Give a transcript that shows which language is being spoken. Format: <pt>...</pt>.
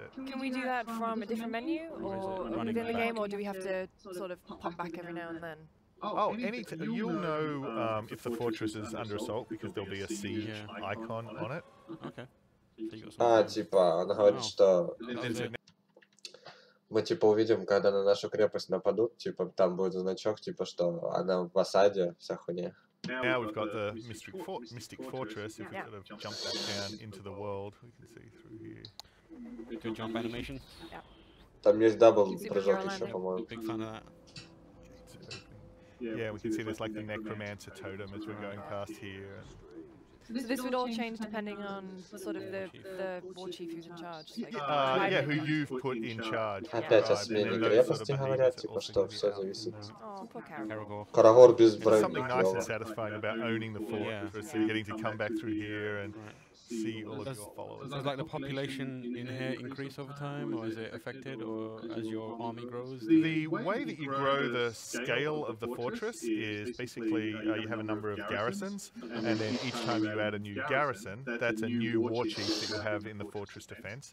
<en>Can we do that from a different menu or within the game, or do we have to sort of pop back every now and then? Oh, you'll know if the fortress is under assault because there'll be a siege icon on it. Okay.</en> <ru>А, типа, она говорит, что мы типа увидим, когда на нашу крепость нападут, типа там будет значок, типа что она в осаде, вся хуйня.</ru> <en>Now we've got the mystic fortress. If we sort of jump back down into the world, we can see through here. Good jump animation. Yeah.</en> <ru>Там есть дабл прыжок еще, по-моему.</ru> <en>Big fan of that. Yeah, we can see there's like the necromancer totem as we're going past here. So this would all change depending on sort of the war chief who's in charge. Yeah, who you've put in charge.</en> <ru>Опять о смене крепости говорят, типа что все зависит. Oh, Карагор без брони.</ru> <en>Something nice and satisfying about owning the fortress and getting to come back through here and see all of your followers. Does like the population in here increase over time, or is it affected, or as your army grows? The way that you grow the scale of the fortress is basically you have a number of garrisons, and then each time you add a new garrison, that's a new war chief that you have in the fortress defense.</en>